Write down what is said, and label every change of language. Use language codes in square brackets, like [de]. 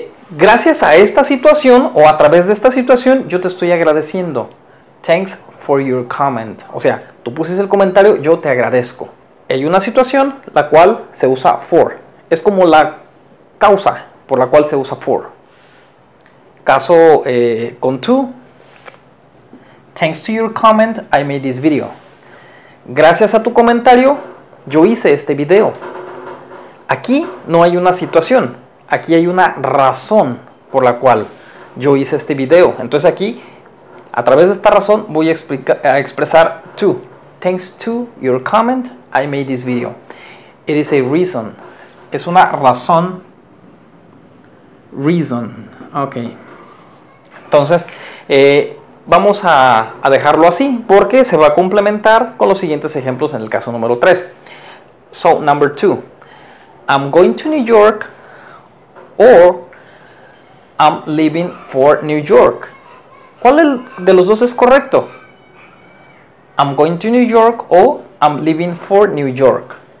[es] Gracias a esta situación o a través de esta situación, yo te estoy agradeciendo. [en] Thanks for your comment. [es] O sea, tú pusiste el comentario, yo te agradezco. Hay una situación la cual se usa for. Es como la causa por la cual se usa for. Caso con to. [en] Thanks to your comment, I made this video. [es] Gracias a tu comentario, yo hice este video. Aquí no hay una situación. Aquí hay una razón por la cual yo hice este video. Entonces aquí, a través de esta razón, voy a expresar to. [en] Thanks to your comment, I made this video. It is a reason. [es] Es una razón. [en] Reason. Ok. [es] Entonces, vamos a dejarlo así porque se va a complementar con los siguientes ejemplos en el caso número 3. [en] So, number 2. I'm going to New York or I'm leaving for New York. [es] ¿Cuál de los dos es correcto? [en] I'm going to New York [es] o [en] I'm leaving for New York.